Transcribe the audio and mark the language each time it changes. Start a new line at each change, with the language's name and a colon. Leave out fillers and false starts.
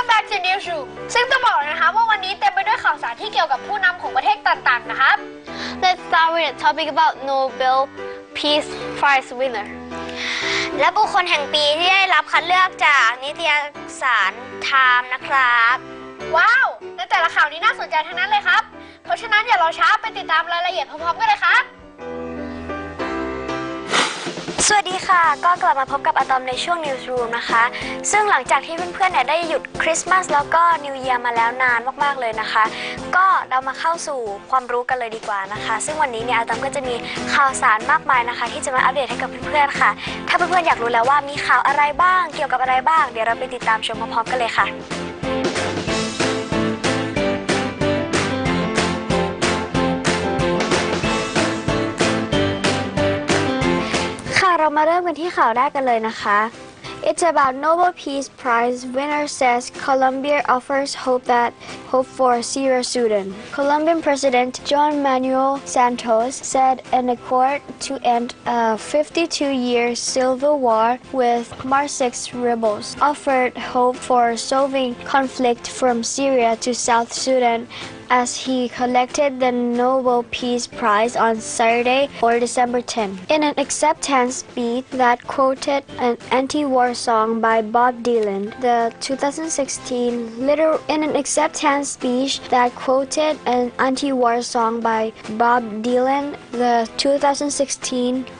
Thai: ซินดิชูซึ่งต้องบอกนะคะว่าวันนี้เต็มไปด้วยข่าวสารที่เกี่ยวกับผู้นำของประเทศต่างๆนะครับ
English: Let's start with a topic about Nobel Peace Prize winner
Thai: และบุคคลแห่งปีที่ได้รับคัดเลือกจากนิตยสารไทม์นะครับ ว้าวและแต่ละข่าวนี้น่าสนใจทั้งนั้นเลยครับเพราะฉะนั้นอย่ารอช้าไปติดตามรายละเอียดพร้อมๆกันเลยครับ สวัสดีค่ะก็กลับมาพบกับอะตอมในช่วง Newsroom นะคะซึ่งหลังจากที่เพื่อนๆเนี่ยได้หยุดคริสต์มาสแล้วก็นิวเยียร์มาแล้วนานมากๆเลยนะคะ ก็เรามาเข้าสู่ความรู้กันเลยดีกว่านะคะซึ่งวันนี้เนี่ยอะตอมก็จะมี ข่าวสารมากมายนะคะที่จะมาอัปเดตให้กับเพื่อนๆค่ะถ้าเพื่อนๆอยากรู้แล้วว่ามีข่าวอะไรบ้างเกี่ยวกับอะไรบ้างเดี๋ยวเราไปติดตามชมพร้อมๆกันเลยค่ะเรามาเริ่มกันที่ข่าวแรกกันเลยนะคะ
English: It's about Nobel Peace Prize winner says Colombia offers hope that hope for Syria Sudan. Colombian President John Manuel Santos said an accord to end a 52-year civil war with Marxist rebels offered hope for solving conflict from Syria to South Sudan. As he collected the Nobel Peace Prize on Saturday, or December 10, in an acceptance speech that quoted an anti-war song by Bob Dylan, the 2016